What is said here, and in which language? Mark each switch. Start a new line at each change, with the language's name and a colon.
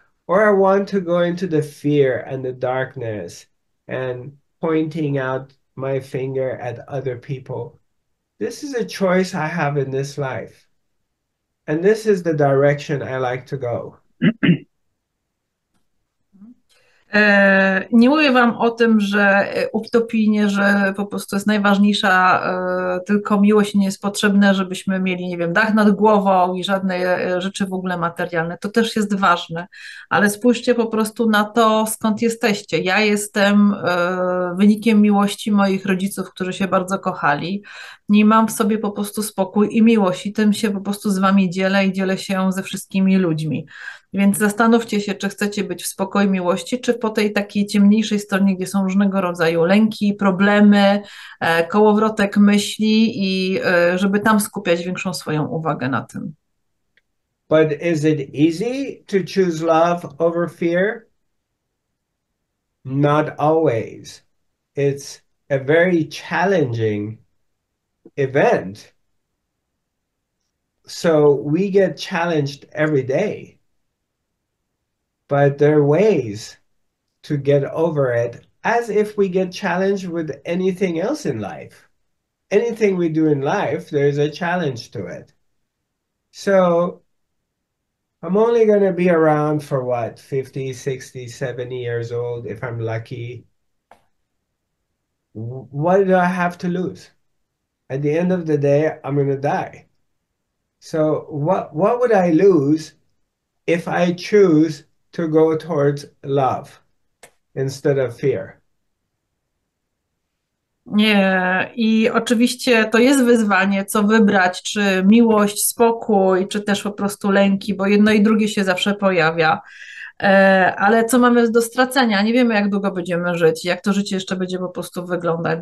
English: Or I want to go into the fear and the darkness and pointing out my finger at other people? This is a choice I have in this life. And this is the direction I like to go.
Polish: Nie mówię wam o tym, że utopijnie, że po prostu jest najważniejsza tylko miłość, nie jest potrzebne, żebyśmy mieli, nie wiem, dach nad głową i żadne rzeczy w ogóle materialne. To też jest ważne, ale spójrzcie po prostu na to, skąd jesteście. Ja jestem wynikiem miłości moich rodziców, którzy się bardzo kochali. Nie mam w sobie po prostu spokój i miłość i tym się po prostu z wami dzielę i dzielę się ze wszystkimi ludźmi. Więc zastanówcie się, czy chcecie być w spokoju i miłości, czy po tej takiej ciemniejszej stronie, gdzie są różnego rodzaju lęki, problemy, kołowrotek myśli i żeby tam skupiać większą swoją uwagę na tym.
English: But is it easy to choose love over fear? Not always. It's a very challenging event. So we get challenged every day. But there are ways to get over it, as if we get challenged with anything else in life. Anything we do in life, there's a challenge to it. So I'm only going to be around for what, 50, 60, 70 years old, if I'm lucky. What do I have to lose? At the end of the day, I'm going to die. So what would I lose if I choose to go towards love instead of fear?
Polish: Nie, i oczywiście to jest wyzwanie, co wybrać, czy miłość, spokój, czy też po prostu lęki, bo jedno i drugie się zawsze pojawia. Ale co mamy do stracenia? Nie wiemy, jak długo będziemy żyć, jak to życie jeszcze będzie po prostu wyglądać.